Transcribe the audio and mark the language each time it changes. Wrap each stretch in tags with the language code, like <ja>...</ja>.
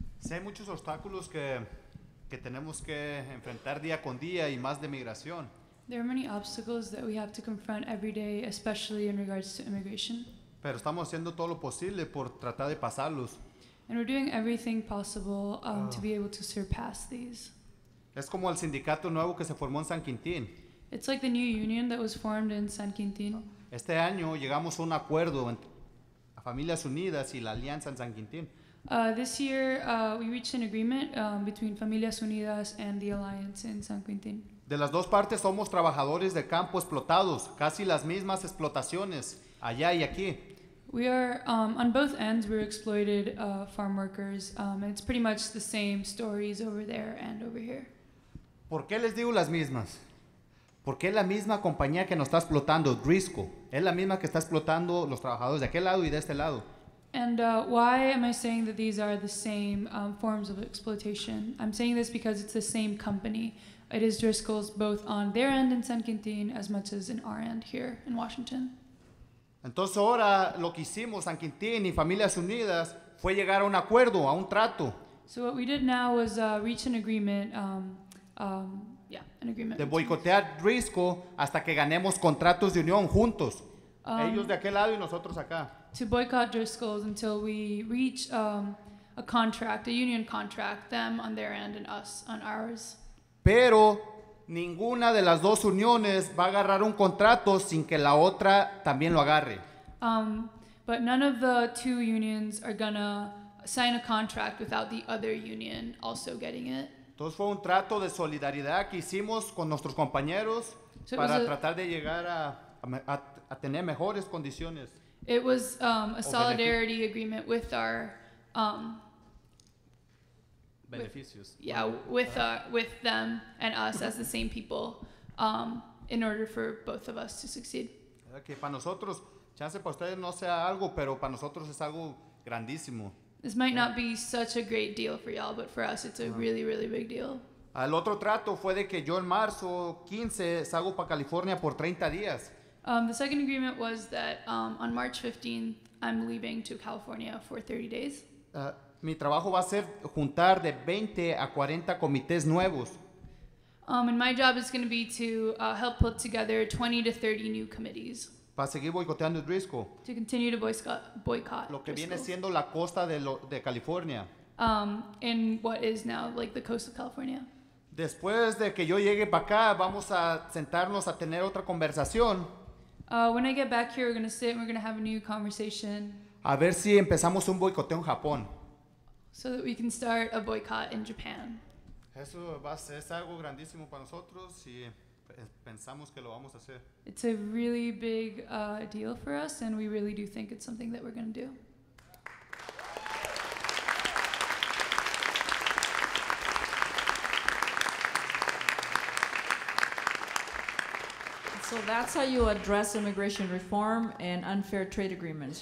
<es>Hay muchos obstáculos que tenemos que enfrentar día con día y más de migración.</es> <en>There are many obstacles that we have to confront every day, especially in regards to immigration.</en> <es>Pero estamos haciendo todo lo posible por tratar de pasarlos.</es> <en>And we're doing everything possible to be able to surpass these.</en> <es>Es como el sindicato nuevo que se formó en San Quintín.</es> <en>It's like the new union that was formed in San Quintín.</en> <es>Este año llegamos a un acuerdo entre Familias Unidas y la Alianza en San Quintín.</es> <en>This year, we reached an agreement between Familias Unidas and the Alliance in San Quintín.</en> <es>De las dos partes somos trabajadores de campo explotados, casi las mismas explotaciones, allá y aquí.</es> <en>We are, on both ends, we're exploited farm workers, and it's pretty much the same stories over there and over here.</en> <es>¿Por qué les digo las mismas? Porque es la misma compañía que nos está explotando, Drisco, es la misma que está explotando los trabajadores de aquel lado y de este lado.</es> <en>And why am I saying that these are the same forms of exploitation? I'm saying this because it's the same company. It is Driscoll's both on their end in San Quintín as much as in our end here in Washington.</en> <es>Entonces ahora lo que hicimos San Quintín y Familias Unidas fue llegar a un acuerdo, a un trato.</es> <en>So what we did now was reach an agreement, an agreement.</en> <es>De boicotear Driscoll hasta que ganemos contratos de unión juntos. Ellos de aquel lado y nosotros acá.</es> <en>To boycott Driscoll's until we reach a contract, a union contract, them on their end and us on ours.</en> <es>Pero ninguna de las dos uniones va a agarrar un contrato sin que la otra también lo agarre.</es> <en>But none of the two unions are gonna sign a contract without the other union also getting it.</en> <es>Entonces fue un trato de solidaridad que hicimos con nuestros compañeros para tratar de llegar a tener mejores condiciones.</es> <en>It was a solidarity agreement with our</en> <es>beneficios.</es> <en>With them and us as the same people, in order for both of us to succeed.</en> <es>Que para nosotros, chance para ustedes no sea algo, pero para nosotros es algo grandísimo.</es> <en>This might not be such a great deal for y'all, but for us it's a really, really big deal.</en> <es>El otro trato fue de que yo en marzo 15 salgo para California por 30 días.</es> <en>The second agreement was that on March 15th, I'm leaving to California for 30 days.</en> <es>Mi trabajo va a ser juntar de 20 a 40 comités nuevos.</es> <en>And my job is going to be to help put together 20 to 30 new committees.</en> <es>Para seguir boicoteando Driscoll.</es> <en>To continue to boycott</en> <es>lo que viene siendo la costa de California.</es> <en>In what is now like the coast of California.</en> <es>Después de que yo llegue para acá, vamos a sentarnos a tener otra conversación.</es> <en>When I get back here, we're going to sit and we're going to have a new conversation.</en> <es>A ver si empezamos un boicoteo en Japón.</es> <en>So that we can start a boycott in Japan.</en> <es>Eso es algo grandísimo para nosotros y pensamos que lo vamos a hacer.</es> <en>It's a really big deal for us, and we really do think it's something that we're going to do. So that's how you address immigration reform and unfair trade agreements.</en>